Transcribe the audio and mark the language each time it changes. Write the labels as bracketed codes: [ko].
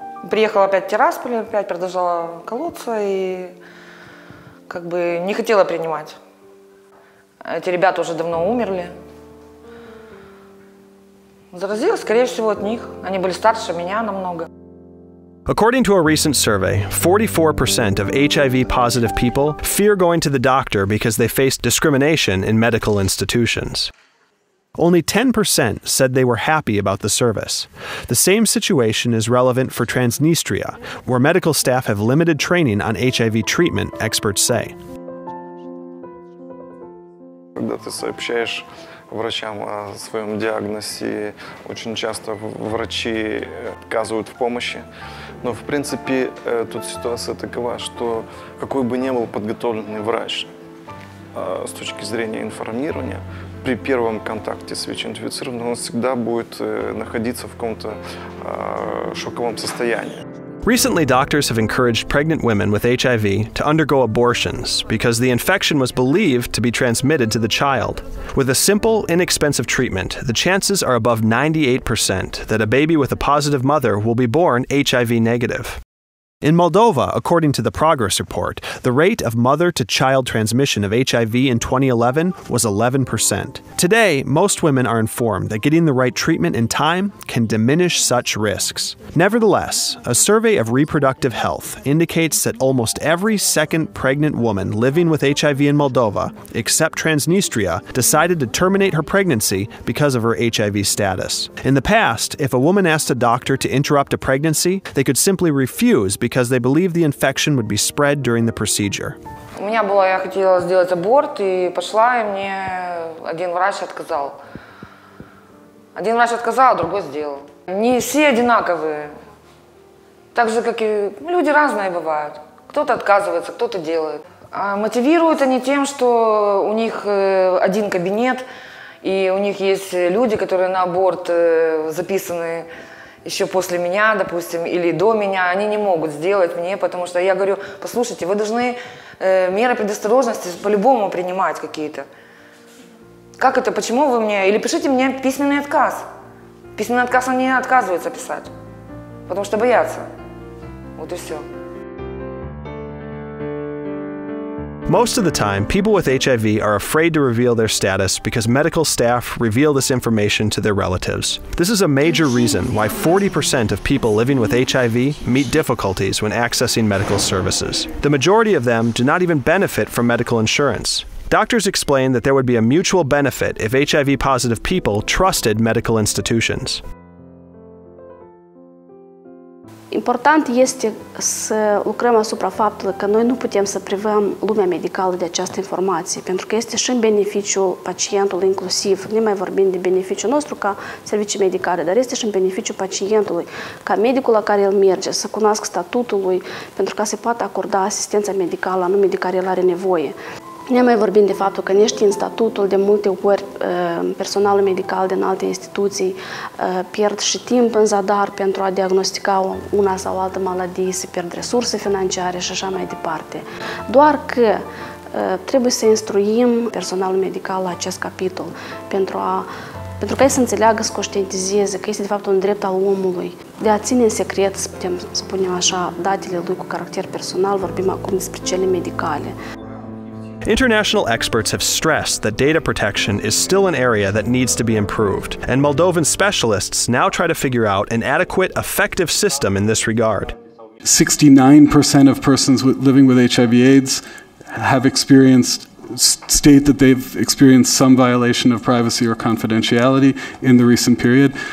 [ru] Приехала опять в Тирасполь, опять продолжала колоться и как бы не хотела принимать. Эти ребята уже давно умерли. Заразилась, скорее всего, от них. Они были старше меня намного. [en] According to a recent survey, 44% of HIV-positive people fear going to the doctor because they face discrimination in medical institutions. Only 10% said they were happy about the service. The same situation is relevant for Transnistria, where medical staff have limited training on HIV treatment, experts say. [ru] Врачам о своем диагнозе очень часто врачи отказывают в помощи. Но в принципе тут ситуация такова, что какой бы ни был подготовленный врач с точки зрения информирования, при первом контакте с ВИЧ-инфицированным он всегда будет находиться в каком-то шоковом состоянии. [en] Recently, doctors have encouraged pregnant women with HIV to undergo abortions because the infection was believed to be transmitted to the child. With a simple, inexpensive treatment, the chances are above 98% that a baby with a positive mother will be born HIV negative. In Moldova, according to the Progress Report, the rate of mother-to-child transmission of HIV in 2011 was 11%. Today, most women are informed that getting the right treatment in time can diminish such risks. Nevertheless, a survey of reproductive health indicates that almost every second pregnant woman living with HIV in Moldova, except Transnistria, decided to terminate her pregnancy because of her HIV status. In the past, if a woman asked a doctor to interrupt a pregnancy, they could simply refuse because they believe the infection would be spread during the procedure. [ru] У меня было, я хотела сделать аборт, и пошла, и мне один врач отказал. Один врач отказал, другой сделал. Не все одинаковые. Так же, как и люди разные бывают. Кто-то отказывается, кто-то делает. А мотивируют они тем, что у них один кабинет, и у них есть люди, которые на аборт записаны. Еще после меня, допустим, или до меня, они не могут сделать мне, потому что я говорю, послушайте, вы должны меры предосторожности по-любому принимать какие-то. Как это, почему вы мне, или пишите мне письменный отказ. Письменный отказ они отказываются писать, потому что боятся. Вот и все. [en] Most of the time, people with HIV are afraid to reveal their status because medical staff reveal this information to their relatives. This is a major reason why 40% of people living with HIV meet difficulties when accessing medical services. The majority of them do not even benefit from medical insurance. Doctors explain that there would be a mutual benefit if HIV-positive people trusted medical institutions. [ro] Important este să lucrăm asupra faptului că noi nu putem să privăm lumea medicală de această informație, pentru că este și în beneficiul pacientului inclusiv, nu mai vorbim de beneficiul nostru ca servicii medicale, dar este și în beneficiul pacientului, ca medicul la care el merge, să cunoască statutul lui, pentru ca se poată acorda asistența medicală anume de care el are nevoie. Ne mai vorbim de faptul că neștiind statutul, de multe ori personalul medical din alte instituții pierd și timp în zadar pentru a diagnostica una sau altă maladie, se pierd resurse financiare și așa mai departe. Doar că trebuie să instruim personalul medical la acest capitol pentru ca ei să înțeleagă, să conștientizeze că este de fapt un drept al omului de a ține în secret, să putem spune așa, datele lui cu caracter personal, vorbim acum despre cele medicale. [en] International experts have stressed that data protection is still an area that needs to be improved, and Moldovan specialists now try to figure out an adequate, effective system in this regard. 69% of persons living with HIV/AIDS state that they've experienced some violation of privacy or confidentiality in the recent period.